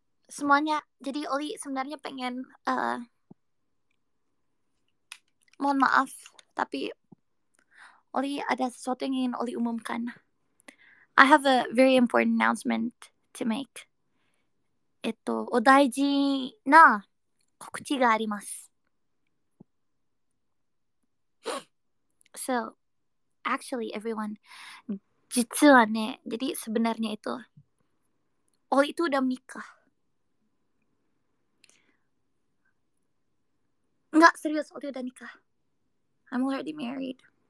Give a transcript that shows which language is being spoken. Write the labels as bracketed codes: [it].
[id] Semuanya, jadi Oli sebenarnya pengen mohon maaf, tapi Oli ada sesuatu yang ingin Oli umumkan. [en] I have a very important announcement to make. [ja] お大事な告知があります。 [en] So, actually, everyone, [ja] 実はね、 [id] jadi sebenarnya itu, Oli itu udah menikah. Enggak, serius, Oli udah nikah. [en] I'm already married.